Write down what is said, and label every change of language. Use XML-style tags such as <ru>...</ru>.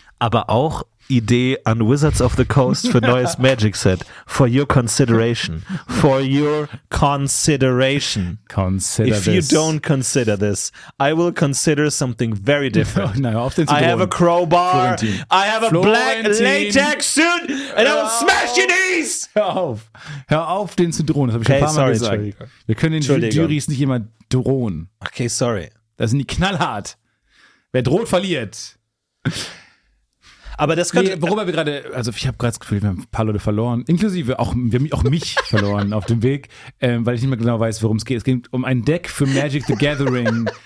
<de>Aber auch Idee an Wizards of the Coast für neues Magic Set.</de> <en>For your consideration. For your consideration. Consider If this. You don't consider this, I will consider something very different. No, I have drawing. A crowbar. Florentine. I have a black latex suit and I will smash your knees.</en> <de>Hör auf, den zu drohen. Das habe ich</de> <en>okay,</en> <de>schon ein paar Mal</de> <en>sorry,</en> <de>gesagt. Wir können den Juries nicht immer drohen.</de> <en>Okay, sorry.</en> <de>Das sind die knallhart. Wer droht, verliert. Aber das könnte. Nee, worüber wir gerade. Also, ich habe gerade das Gefühl, wir haben ein paar Leute verloren. Inklusive auch. Wir haben auch mich verloren auf dem Weg, weil ich nicht mehr genau weiß, worum es geht. Es ging um ein Deck für Magic the Gathering.</de>